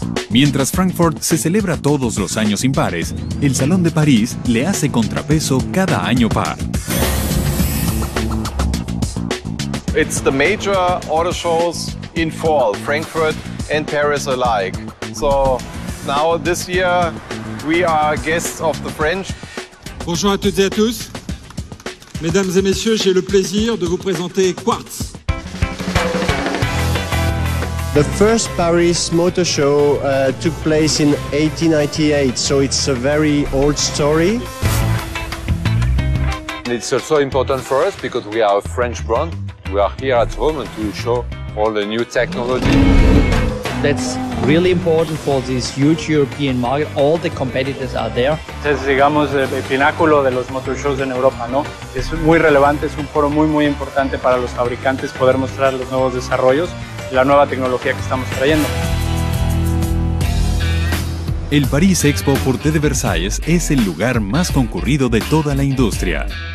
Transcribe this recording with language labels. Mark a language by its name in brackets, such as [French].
[Spanish] Mientras Frankfurt se celebra todos los años impares, el Salón de París le hace contrapeso cada año par. [English] It's the major auto shows in fall, Frankfurt and Paris alike. So now this year we are guests of the French. [French] Bonjour à toutes et à tous. Mesdames et messieurs, j'ai le plaisir de vous présenter Quartz. [English] The first Paris Motor Show took place in 1898, so it's a very old story. It's also important for us because we are a French brand. We are here at home to show all the new technology. That's really important for this huge European market. All the competitors are there. [Spanish] Es, digamos, el pináculo de los motor shows en Europa, ¿no? Es muy relevante, es un foro muy, muy importante para los fabricantes poder mostrar los nuevos desarrollos. La nueva tecnología que estamos trayendo. El París Expo Porte de Versailles es el lugar más concurrido de toda la industria.